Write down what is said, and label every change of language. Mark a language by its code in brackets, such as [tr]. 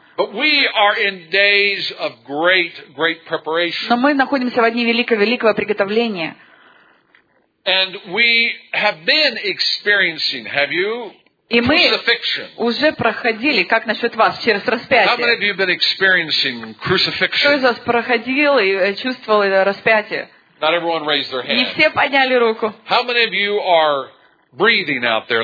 [en] But we are in days of great, great preparation. [ru] Но мы находимся в дни великого приготовления. [en] And we have been experiencing, have you? [ru] И мы уже проходили, как насчет вас, через распятие. [en] How many of you have been experiencing crucifixion? [ru] Кто из вас проходил и чувствовал распятие? [en] Not everyone raised their hand. [ru] Не все подняли руку. [en] How many of you are breathing out there?